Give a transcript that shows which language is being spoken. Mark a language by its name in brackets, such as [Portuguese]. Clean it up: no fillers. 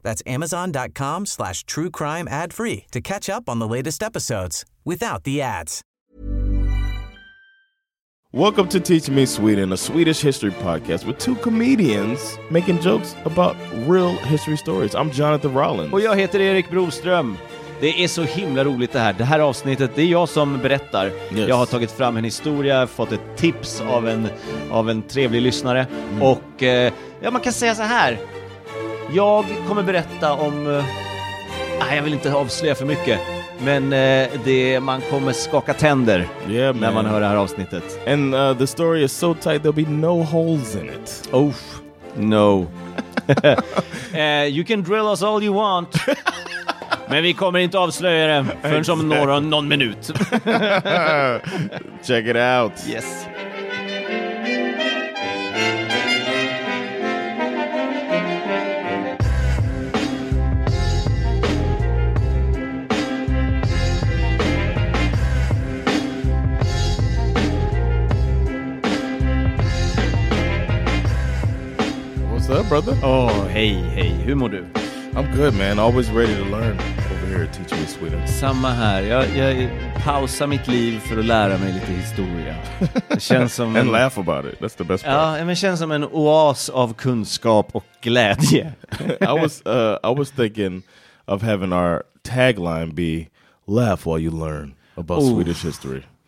[English] That's amazon.com/truecrimeadfree to catch up on the latest episodes without the ads. Welcome to Teach Me Sweden, a Swedish history podcast with two comedians making jokes about real history stories. I'm Jonathan Rollins. [Swedish] Och jag heter Erik Broström. Det är så himla roligt det här. Det här avsnittet, det är jag som berättar. Yes. Jag har tagit fram en historia, fått ett tips av en trevlig lyssnare. Mm. Och ja, man kan säga så här. Jag kommer berätta om... jag vill inte avslöja för mycket. Men det, man kommer skaka tänder, [English] yeah, [Swedish] när man hör det här avsnittet. [English] And the story is so tight there'll be no holes in it. Oh, no. You can drill us all you want. [Swedish] Men vi kommer inte avslöja det förrän som någon minut. [English] Check it out. Yes. What's up, brother? Oh, hey. [Swedish] Hur mår du? [English] I'm good, man. Always ready to learn over here at Teach Me Sweden. [Swedish] Samma här. Jag pausar mitt liv för att lära mig lite historia. Det känns som [English] and laugh about it. That's the best part. [Swedish] Ja, men det känns som en oas av kunskap och glädje. [English] I was thinking of having our tagline be laugh while you learn about Swedish history.